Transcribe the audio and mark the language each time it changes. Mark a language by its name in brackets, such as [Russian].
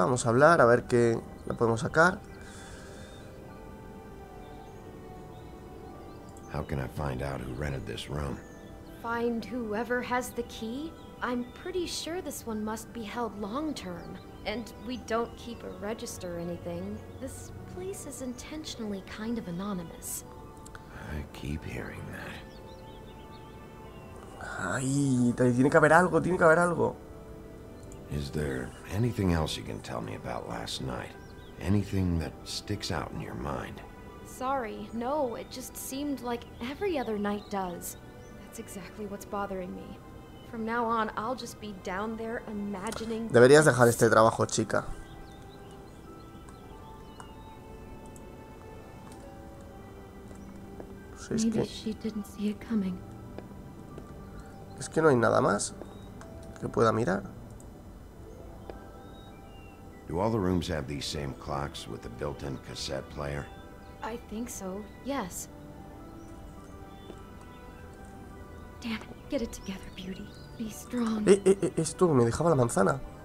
[Spanish] Vamos a hablar, a ver qué la podemos sacar. [English] How can I find out who rented this room? Find whoever has the key? I'm pretty sure this one must be held long term. And we don't keep a register or anything. This place is intentionally kind of anonymous. I keep hearing that. [Spanish] Ay, tiene que haber algo, tiene que haber algo. [English] Is there anything else you can tell me about last night? Anything that sticks out in your mind? Sorry, no, it just seemed like every other night does. That's exactly what's bothering me. From now on, I'll just be down there imagining... [Spanish] Deberías dejar este trabajo, chica. [English] Maybe she didn't see it coming. [Spanish] Es que no hay nada más que pueda mirar. [English] Do all the rooms have these same clocks with a built-in cassette player? I think so, yes. Damn it, get it together, beauty. Be strong. [Spanish] Esto me dejaba la manzana.